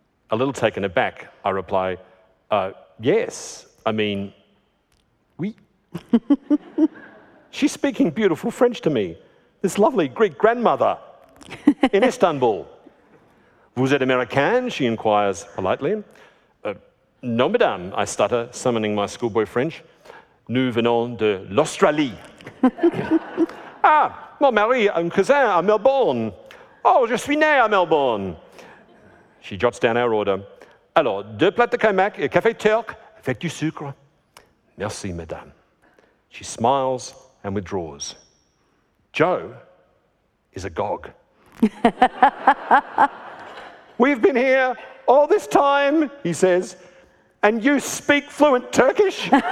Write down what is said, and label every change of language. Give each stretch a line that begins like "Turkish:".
English: A little taken aback, I reply, yes, I mean, oui. She's speaking beautiful French to me, this lovely Greek grandmother in Istanbul.
French: Vous êtes American?
English: She inquires politely.
French: Non, madame,
English: I stutter, summoning my schoolboy French.
French: Nous venons de l'Australie. Ah, mon mari, un cousin à Melbourne. Oh, je suis né à Melbourne.
English: She jots down our order.
French: Alors, deux plats de kaymak et café turc avec du sucre. Merci, madame.
English: She smiles and withdraws. Joe is agog. We've been here all this time, he says, and you speak fluent Turkish?